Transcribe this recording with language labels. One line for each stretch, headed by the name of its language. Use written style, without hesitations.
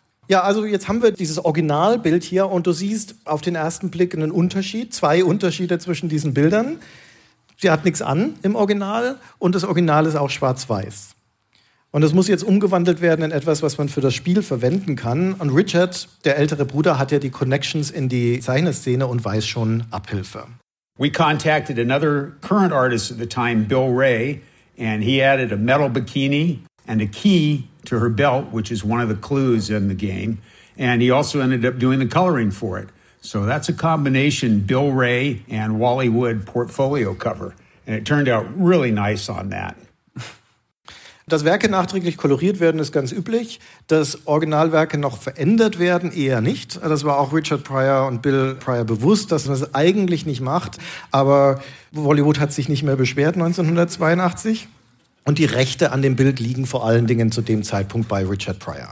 German: Ja, also jetzt haben wir dieses Originalbild hier und du siehst auf den ersten Blick einen Unterschied, zwei Unterschiede zwischen diesen Bildern. Sie hat nichts an im Original und das Original ist auch schwarz-weiß. Und das muss jetzt umgewandelt werden in etwas, was man für das Spiel verwenden kann. Und Richard, der ältere Bruder, hat ja die Connections in die Zeichnerszene und weiß schon Abhilfe.
English: We contacted another current artist at the time, Bill Ray, and he added a metal bikini and a key to her belt, which is one of the clues in the game. And he also ended up doing the coloring for it. So that's a combination Bill Ray and Wally Wood portfolio cover. And it turned out really nice on that.
German: Dass Werke nachträglich koloriert werden, ist ganz üblich. Dass Originalwerke noch verändert werden, eher nicht. Das war auch Richard Pryor und Bill Pryor bewusst, dass man das eigentlich nicht macht. Aber Hollywood hat sich nicht mehr beschwert 1982. Und die Rechte an dem Bild liegen vor allen Dingen zu dem Zeitpunkt bei Richard Pryor.